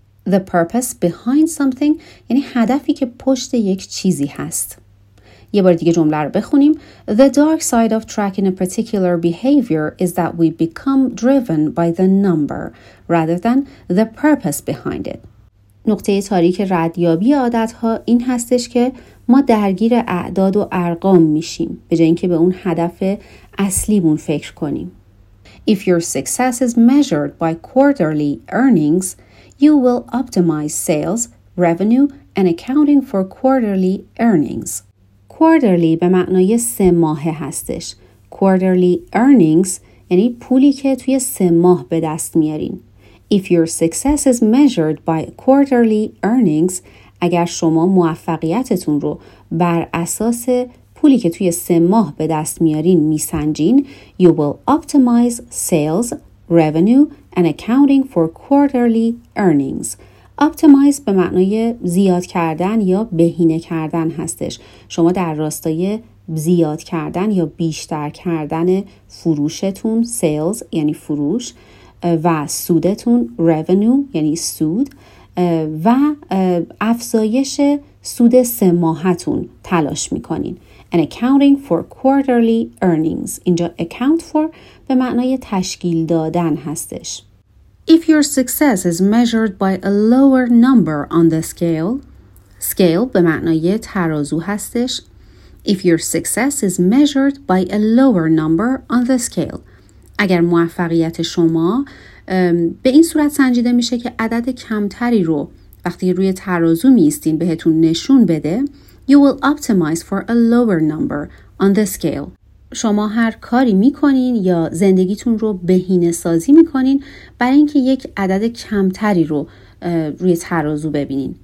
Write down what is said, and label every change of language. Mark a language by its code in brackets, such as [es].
[en] The purpose behind something [fa] یعنی هدفی که پشت یک چیزی هست. یه بار دیگه جمله رو بخونیم. [en] The dark side of tracking a particular behavior is that we become driven by the number rather than the purpose behind it. [fa] نقطه تاریک ردیابی عادت‌ها این هستش که ما درگیر اعداد و ارقام میشیم به جای اینکه به اون هدف اصلیمون فکر کنیم. [en] If your success is measured by quarterly earnings, you will optimize sales, revenue and accounting for quarterly earnings. [fa] Quarterly به معنای سه ماهه هستش. [en] Quarterly earnings [fa] یعنی پولی که توی سه ماه به دست میارین. [en] If your success is measured by quarterly earnings، [fa] اگر شما موفقیتتون رو بر اساس پولی که توی سه ماه به دست میارین میسنجین، [en] you will optimize sales, revenue and accounting for quarterly earnings. [fa] Optimize به معنای زیاد کردن یا بهینه کردن هستش. شما در راستای زیاد کردن یا بیشتر کردن فروشتون، sales یعنی فروش، و سودتون، revenue یعنی سود، و افزایش سود سه ماهتون تلاش میکنین. [en] And accounting for quarterly earnings. [fa] اینجا account for به معنای تشکیل دادن هستش. [en] If your success is measured by a lower number on the scale. [fa] Scale به معنای ترازو هستش. [en] If your success is measured by a lower number on the scale. [fa] اگر موفقیت شما به این صورت سنجیده میشه که عدد کمتری رو وقتی روی ترازو میستین بهتون نشون بده، [en] you will optimize for a lower number on the scale. [fa] شما هر کاری میکنین یا زندگیتون رو بهینه سازی میکنین برای اینکه یک عدد کمتری رو روی ترازو ببینین.